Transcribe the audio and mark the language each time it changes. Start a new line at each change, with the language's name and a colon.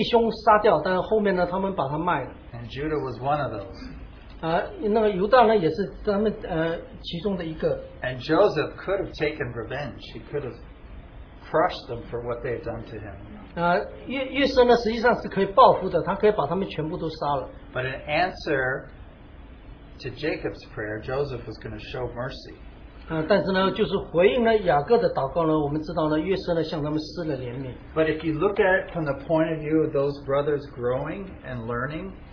Chinese: 当我们从回过头去看呢，在早前呢，他们想把他们的弟兄杀掉，但是后面呢，他们把他卖了。
English: And Judah was one of those.
Chinese: 那个犹大呢，也是他们其中的一个。
English: And Joseph could have taken revenge. He could have crushed them for what they had done to him.
Chinese: 约瑟呢，实际上是可以报复的，他可以把他们全部都杀了。
English: But in answer to Jacob's prayer, Joseph was going to show mercy.
Chinese: 但是呢，就是回应了雅各的祷告呢，我们知道呢，约瑟呢向他们施了怜悯。
English: But if you look at it from the point of view of those brothers growing and learning,